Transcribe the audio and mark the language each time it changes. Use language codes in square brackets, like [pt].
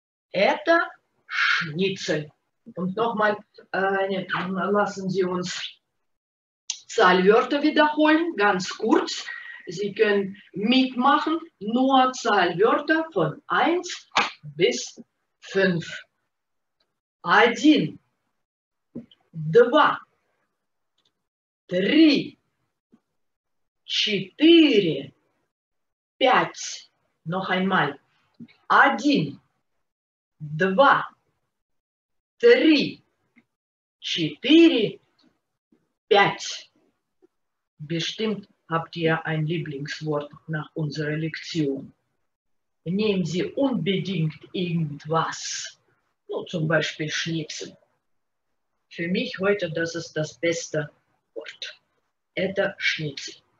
[ru] Это шницель. [de] Und nochmal, [ru] нет, [de] lassen Sie uns Zahlwörter wiederholen, ganz kurz. Sie können mitmachen, nur Zahlwörter von 1 bis 5. [ru] Один, два, три, четыре, пять. [de] Noch einmal. [ru] Один, два, три, четыре, пять. [de] Bestimmt habt ihr ein Lieblingswort nach unserer Lektion. Nehmen Sie unbedingt irgendwas. [ru] Ну, [de] zum Beispiel Schnitzel. Für mich heute das ist das beste Wort. [ru] Это [de] Schnitzel.